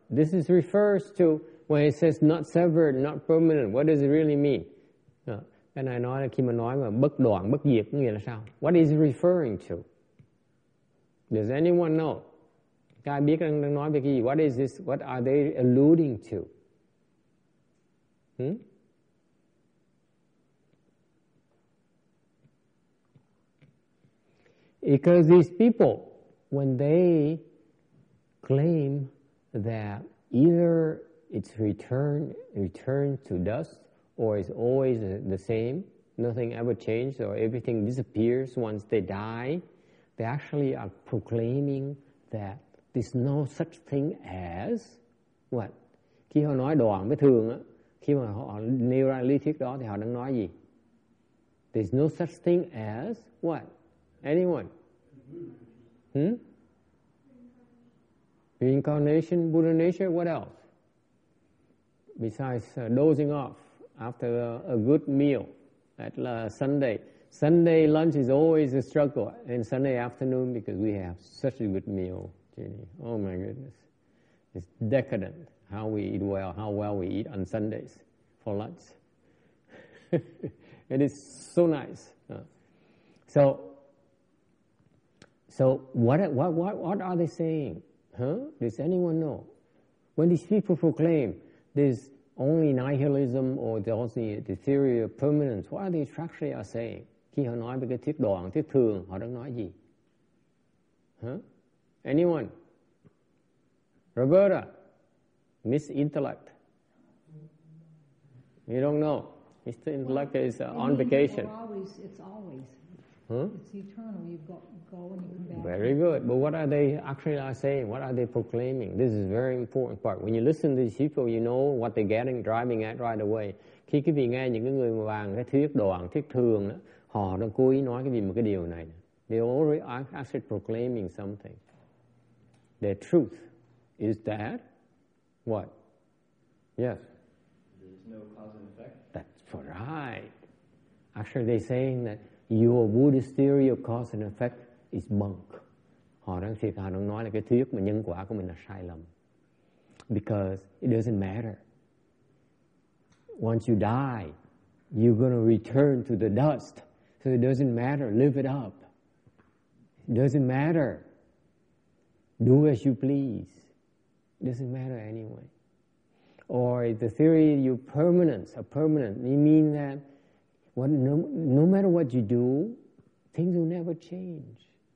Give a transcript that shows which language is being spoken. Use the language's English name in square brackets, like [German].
[English] This is refers to when it says not severed, not permanent. What does it really mean? [Vietnamese] Cái này nói là khi mà nói mà bất đoạn, bất diệt có nghĩa là sao? [English] What is it referring to? Does anyone know? [Vietnamese] Các ai biết đang nói về cái gì? [English] What is this? What are they alluding to? Because these people, when they claim that either it's returned to dust, or it's always the same, nothing ever changed, or everything disappears once they die, they actually are proclaiming that there's no such thing as what? [Vietnamese] Khi họ nói đoạn với thường, khi mà họ nêu ra lý thuyết đó thì họ đang nói gì? [English] There's no such thing as what? Anyone? Reincarnation, Buddha nature, what else? Besides dozing off after a good meal at Sunday. Sunday lunch is always a struggle, and Sunday afternoon because we have such a good meal, Jenny. Oh my goodness. It's decadent how we eat well, how well we eat on Sundays for lunch. It is so nice. So what are they saying? Huh? Does anyone know? When these people proclaim there's only nihilism or there's only the theory of permanence, what are they actually are saying? [Vietnamese] Khi họ nói về cái thuyết đoạn, thuyết thường, họ đang nói gì? [English] Huh? Anyone? Roberta? Miss Intellect? You don't know? Mr. Intellect is on vacation. It's always. It's eternal. You go and you come back. Very good. But what are they actually are saying? What are they proclaiming? This is a very important part. When you listen to these people, you know what they're getting, driving at right away. [Vietnamese] Khi quý vị nghe những người mà bàn cái thuyết đoạn, thuyết thường, họ đang cố ý nói cái gì một cái điều này. [English] They already are actually proclaiming something. Their truth is that what? Yes. There's no cause and effect. That's right. Actually, they're saying that your Buddhist theory of cause and effect is bunk. [Vietnamese] Họ đang nói là cái thuyết mà nhân quả của mình là sai lầm. [English] Because it doesn't matter. Once you die, you're going to return to the dust. So it doesn't matter. Live it up. It doesn't matter. Do as you please. It doesn't matter anyway. Or the theory of your permanence, or permanent, you mean that no matter what you do, things will never change.